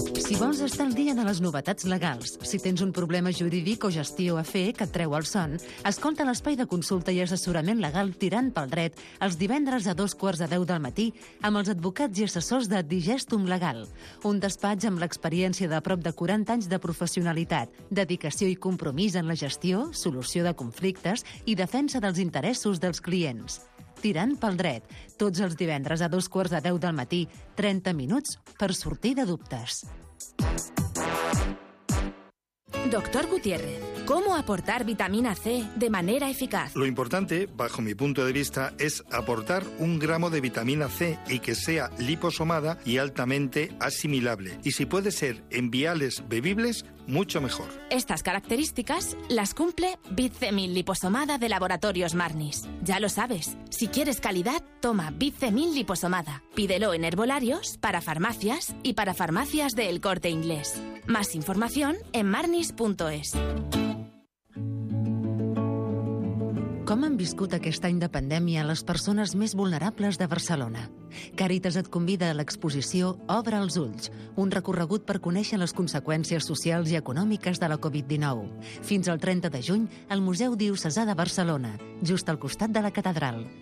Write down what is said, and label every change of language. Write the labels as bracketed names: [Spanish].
[Catalan] Si vols estar al dia de les novetats legals, si tens un problema jurídic o gestió a fer que et treu el son, escolta l'espai de consulta i assessorament legal Tirant pel dret els divendres a 9:45 del matí amb els advocats i assessors de Digestum Legal, un despatx amb l'experiència de prop de 40 anys de professionalitat, dedicació i compromís en la gestió, solució de conflictes i defensa dels interessos dels clients. Tirant pel dret, tots els divendres a 9:45 del matí, 30 minuts per sortir de dubtes. [Spanish] Doctor Gutiérrez, ¿cómo aportar vitamina C de manera eficaz? Lo importante, bajo mi punto de vista, es aportar un gramo de vitamina C y que sea liposomada y altamente asimilable. Y si puede ser en viales bebibles, mucho mejor. Estas características las cumple Bicemil liposomada de Laboratorios Marnis. Ya lo sabes, si quieres calidad, toma Bicemil liposomada. Pídelo en herbolarios, para farmacias y para farmacias de El Corte Inglés. Más información en marnis.es. [Catalan] Com han viscut aquest any de pandèmia les persones més vulnerables de Barcelona? Càritas et convida a l'exposició Obre els ulls, un recorregut per conèixer les conseqüències socials i econòmiques de la Covid-19. Fins al 30 de juny, al Museu Diocesà de Barcelona, just al costat de la catedral.